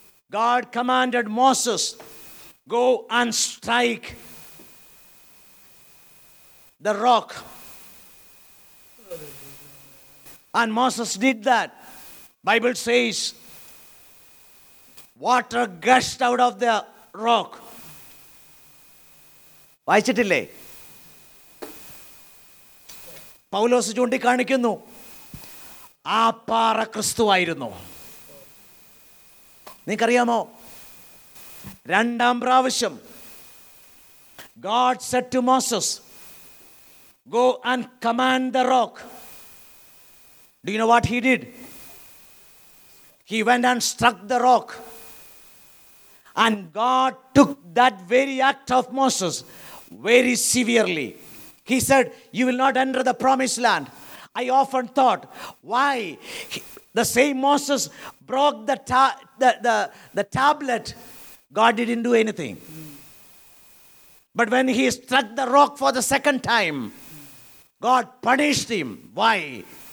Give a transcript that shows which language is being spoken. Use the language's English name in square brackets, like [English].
[English] God commanded Moses, go and strike the rock. And Moses did that. Bible says, water gushed out of the rock. [Malayalam] Vaichittille Paulos chundi kaanikkunnu, ആ പാറ ക്രിസ്തുവായിരുന്നു. നിങ്ങൾക്കറിയാമോ, രണ്ടാം പ്രാവശ്യം [English] God said to Moses, go and command the rock. Do you know what he did? He went and struck the rock and God took that very act of Moses very severely. He said you will not enter the promised land. I often thought, why the same Moses broke the tablet, God didn't do anything. But when he struck the rock for the second time, God punished him. Why?